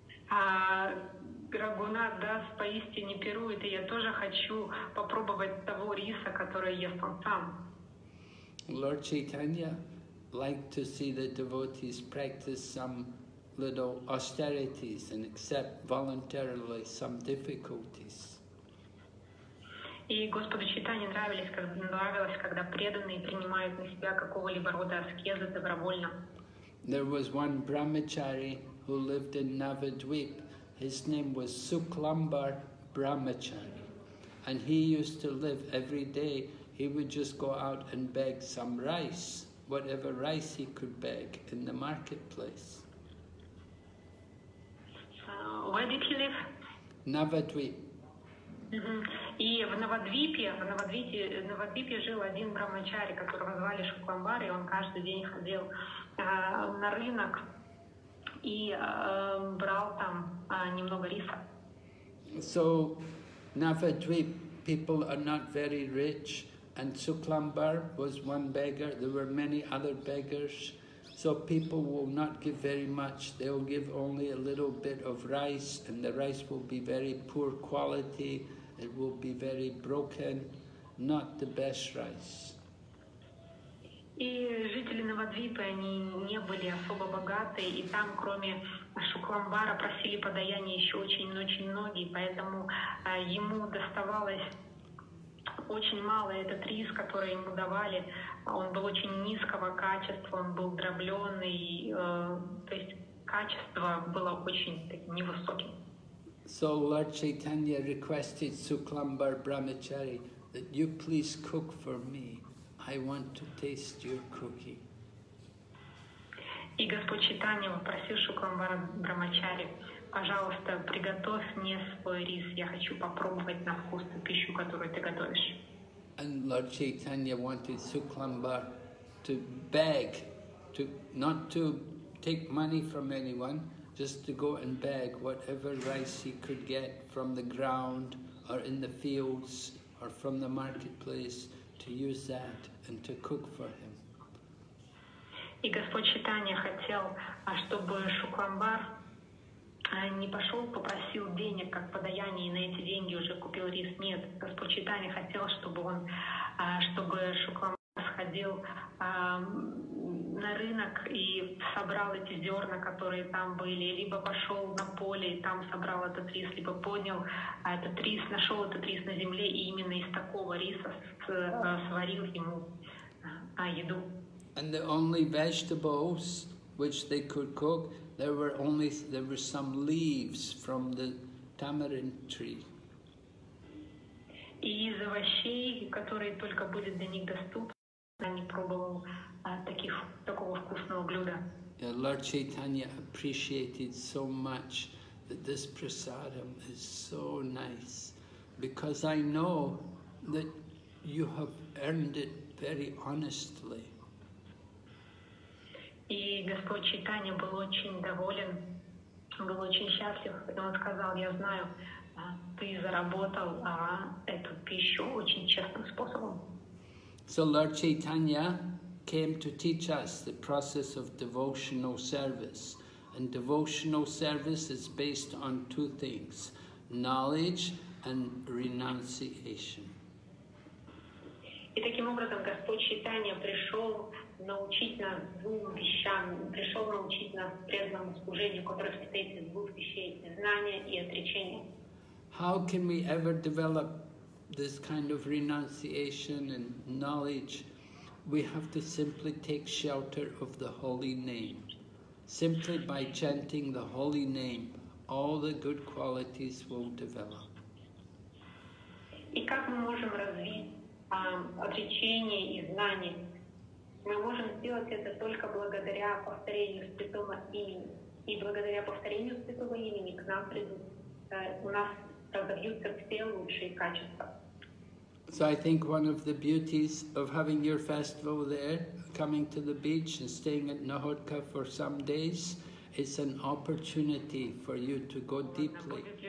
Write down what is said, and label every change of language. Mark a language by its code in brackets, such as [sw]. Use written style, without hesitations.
[ru] Рагхунатх Дас поистине пирует, и я тоже хочу попробовать того риса, который ест он сам. [en] Lord Chaitanya liked to see the devotees practice some little austerities and accept voluntarily some difficulties. [ru] И Господу Чайтанье нравилось, когда преданные принимают на себя какого-либо рода аскезы добровольно. [en] There was one brahmachari who lived in Navadvip. His name was Suklambar Brahmachari. And he used to live every day. He would just go out and beg some rice, whatever rice he could beg in the marketplace. Where did he live? Navadvip. [ru] И в Навадвипе жил один брамачари, которого звали Шукламбар, и он каждый день ходил на рынок и брал там немного риса. [en] So, Navadvip people are not very rich. And Suklambar was one beggar, there were many other beggars, so people will not give very much, they'll give only a little bit of rice, and the rice will be very poor quality, it will be very broken, not the best rice. [ru] И жители Навадвипы, они не были особо богаты, и там, кроме Шукламбара, просили подаяние еще очень-очень многие, поэтому ему доставалось очень мало этот рис, который ему давали, он был очень низкого качества, он был дробленый, то есть качество было очень невысоким. [en] So Lord Chaitanya requested Suklambar Brahmachari that you please cook for me. I want to taste your cooking. [ru] И Господь Чайтанья попросил Шукламбара Брамачари, пожалуйста, приготовь мне свой рис, я хочу попробовать на вкус ту пищу, которую ты готовишь. [en] And Lord Chaitanya wanted Suklambar to beg, to not to take money from anyone. just to go and beg whatever rice he could get from the ground or in the fields or from the marketplace to use that and to cook for him. [ru] И Господь Читания хотел, чтобы Шукламбар не пошел, попросил денег, как подаяние, и на эти деньги уже купил рис. Нет, Господь Читания хотел, чтобы он, чтобы Шукламбар сходил на рынок и собрал эти зерна, которые там были, либо пошел на поле и там собрал этот рис, либо понял этот рис, нашел этот рис на земле и именно из такого риса сварил ему еду. [en] And the only vegetables which they could cook, there were some leaves from the tamarind tree. [ru] И из овощей, которые только были для них доступны, я не пробовал такого вкусного блюда. [en] The Lord Chaitanya appreciated so much that this prasadam is so nice, because I know that you have earned it very honestly. [ru] И Господь Чайтанья был очень доволен, был очень счастлив, когда он сказал: «Я знаю, ты заработал эту пищу очень честным способом». [en] So Lord Chaitanya came to teach us the process of devotional service. And devotional service is based on two things: knowledge and renunciation. [ru] И таким образом Господь Чайтанья пришел научить нас двум вещам, пришел научить нас преданному служению, которое состоит из двух вещей – знания и отречения. [en] How can we ever develop this kind of renunciation and knowledge? We have to simply take shelter of the holy name. Simply by chanting the holy name, all the good qualities will develop. [ru] И как мы можем развить отречение и знание? Мы можем сделать это только благодаря повторению святого имени. И благодаря повторению святого имени к нам придут, у нас разобьются все лучшие качества. [en] So I think one of the beauties of having your festival there, coming to the beach and staying at Nohodka for some days, is an opportunity for you to go deeply.